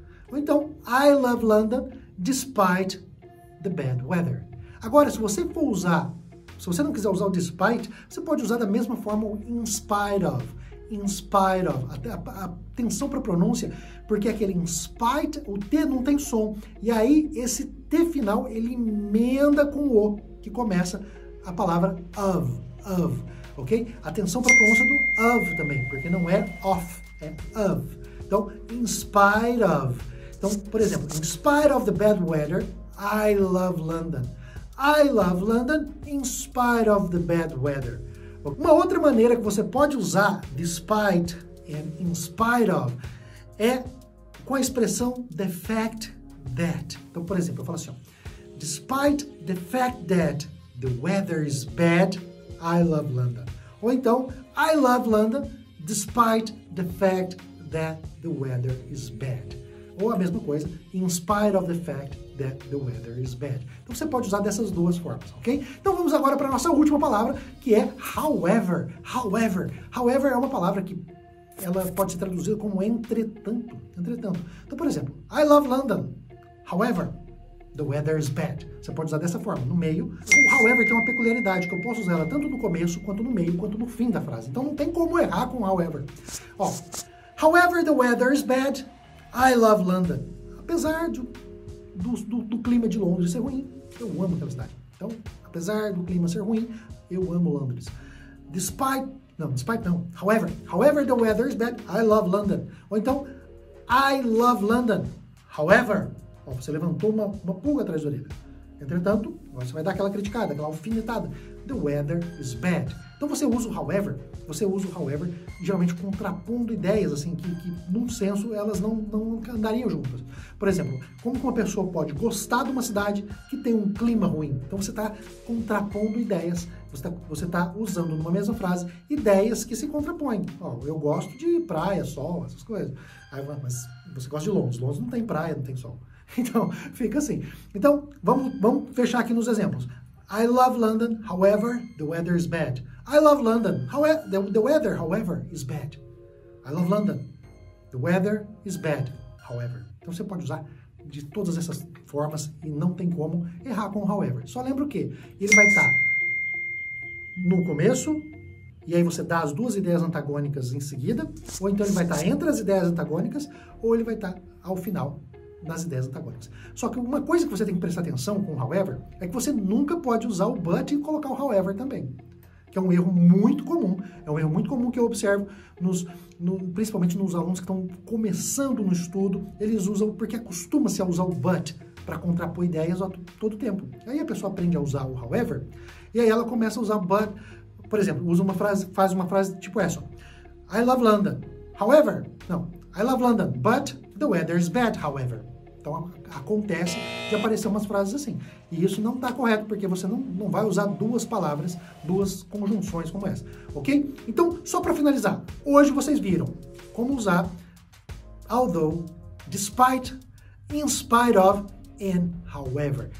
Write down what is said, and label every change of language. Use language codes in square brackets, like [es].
[pt] Ou então, [en] I love London despite the bad weather. [pt] Agora, se você não quiser usar o despite, você pode usar da mesma forma o in spite of. Atenção para a pronúncia, porque aquele in spite, o T não tem som. E aí, esse T final, ele emenda com o O, que começa a palavra of, ok? Atenção para a pronúncia do of também, porque não é off, é of. Então, [en] in spite of. [pt] Então, por exemplo, [en] in spite of the bad weather, I love London. I love London in spite of the bad weather. [pt] Uma outra maneira que você pode usar despite and in spite of é com a expressão the fact that. Então, por exemplo, eu falo assim, ó, [en] despite the fact that the weather is bad, I love London. [pt] Ou então, [en] I love London despite the fact that the weather is bad. [pt] Ou a mesma coisa, [en] in spite of the fact that the weather is bad. [pt] Então você pode usar dessas duas formas, ok? Então vamos agora para a nossa última palavra, que é however. However. However é uma palavra que ela pode ser traduzida como entretanto. Entretanto. Então, por exemplo, [en] I love London. However, the weather is bad. [pt] Você pode usar dessa forma, no meio. O however tem uma peculiaridade, que eu posso usar ela tanto no começo, quanto no meio, quanto no fim da frase. Então não tem como errar com however. Ó, [en] however the weather is bad, I love London. [pt] Apesar de do clima de Londres ser ruim, eu amo aquela cidade. Então, apesar do clima ser ruim, eu amo Londres. [en] However the weather is bad, I love London. [pt] Ou então, [en] I love London. [pt] However, ó, você levantou uma pulga atrás da orelha. Entretanto, agora você vai dar aquela criticada, aquela alfinetada. [en] The weather is bad. [pt] Então você usa o however, geralmente contrapondo ideias, assim, que num senso elas não andariam juntas. Por exemplo, como uma pessoa pode gostar de uma cidade que tem um clima ruim? Então você está contrapondo ideias, você tá usando numa mesma frase ideias que se contrapõem. Ó, eu gosto de praia, sol, essas coisas. Aí, mas você gosta de Londres. Londres não tem praia, não tem sol. Então, fica assim. Então, vamos fechar aqui nos exemplos. [en] I love London, however, the weather is bad. I love London, however, the weather, however, is bad. I love London, the weather is bad, however. [pt] Então, você pode usar de todas essas formas e não tem como errar com however. Só lembra o quê? Ele vai estar no começo, e aí você dá as duas ideias antagônicas em seguida, ou então ele vai estar entre as ideias antagônicas, ou ele vai estar ao final das ideias antagônicas. Só que uma coisa que você tem que prestar atenção com o however é que você nunca pode usar o but e colocar o however também, que é um erro muito comum. É um erro muito comum que eu observo principalmente nos alunos que estão começando no estudo. Eles usam, porque acostuma-se a usar o but para contrapor ideias todo tempo. Aí a pessoa aprende a usar o however e aí ela começa a usar o but. Por exemplo, faz uma frase tipo essa: [en] I love London. [pt] However, não. [en] I love London, but the weather is bad, however. [pt] Então, acontece de aparecer umas frases assim. E isso não está correto, porque você não vai usar duas palavras, duas conjunções como essa, ok? Então, só para finalizar, hoje vocês viram como usar although, despite, in spite of, and however.